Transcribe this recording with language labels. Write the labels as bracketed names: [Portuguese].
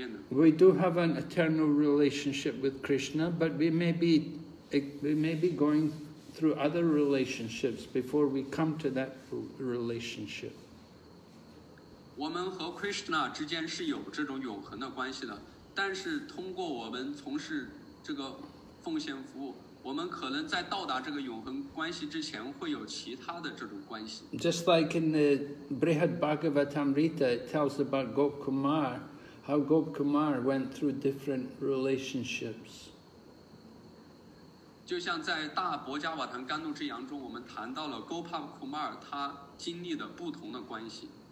[English] We do have an eternal relationship with Krishna, but we may be going through other relationships before we come to that relationship. We have an eternal relationship with Krishna, but we may be going through other relationships before we come to that relationship. [Chinese] 我们可能在到达这个永恒关系之前会有其他的这种关系。 [English] Just like in the Brihad Bhagavatamrita, it tells about Gop Kumar, how Gop Kumar went through different relationships. [Chinese] 就像在大伯加瓦坦甘露之洋中，我们谈到了 Gopa Kumar 他经历的不同的关系。